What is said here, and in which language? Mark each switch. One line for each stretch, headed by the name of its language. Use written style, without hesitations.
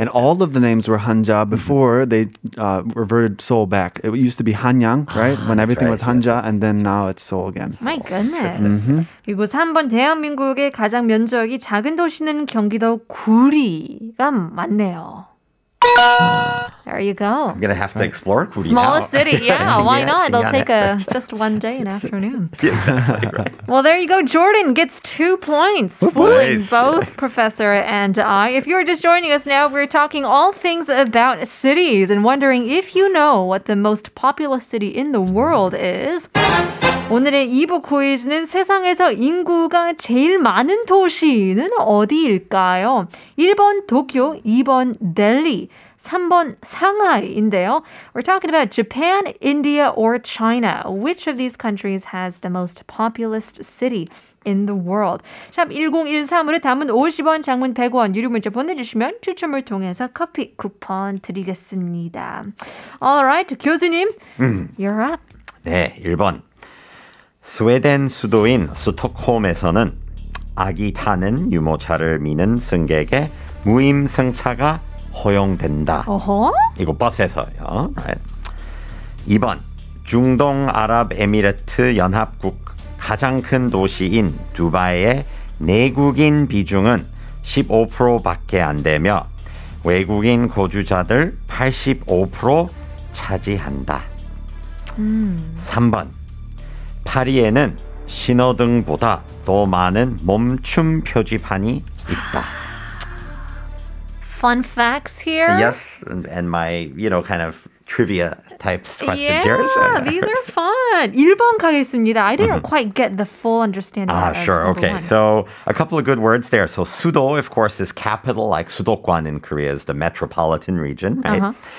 English: And all of the names were Hanja before mm-hmm. they reverted Seoul back. It used to be Hanyang, right? When everything right, was Hanja, yes. and then now it's Seoul again. My goodness. Mm-hmm.
Korean: 이곳 한번 대한민국의 가장 면적이 작은 도시는 경기도 구리가 맞네요.
English: There you go. I'm going to have to explore Kuri. Smallest city. Yeah, why not? It'll take just one day in afternoon. Exactly right. Well, there you go. Jordan gets 2 points. Fooling nice. Both Professor and I. If you're just joining us now, we're talking all things about cities and wondering if you know what the most populous city in the world is.
Korean: 오늘의 2부 퀴즈는 세상에서 인구가 제일 많은 도시는 어디일까요? 1번 도쿄, 2번 델리, 3번 상하이인데요. We're talking about Japan, India, or China. Which of these countries has the most populous city in the world? 샵 1013으로 담은 50원, 장문 100원 유료 문자 보내주시면 추첨을 통해서 커피 쿠폰 드리겠습니다.
English: Alright, 교수님, you're up.
Korean: 네, 1번. 스웨덴 수도인 스톡홀름에서는 아기 타는 유모차를 미는 승객의 무임승차가 허용된다. 어허? 이거 버스에서요. Right. 2번. 중동아랍에미리트 연합국 가장 큰 도시인 두바이의 내국인 비중은 15%밖에 안 되며 외국인 거주자들 85% 차지한다. 3번. 파리에는 신호등보다 더 많은 멈춤 표지판이 있다.
English: Fun facts here. Yes, and my, you know, kind of trivia type questions here. Yeah, these are fun.
Korean: 1번 가겠습니다.
English: I didn't quite get the full understanding of sure, okay. One. So a couple of good words there. So 수도, of course, is capital, like 수도권 in Korea is the metropolitan region, right? Uh-huh.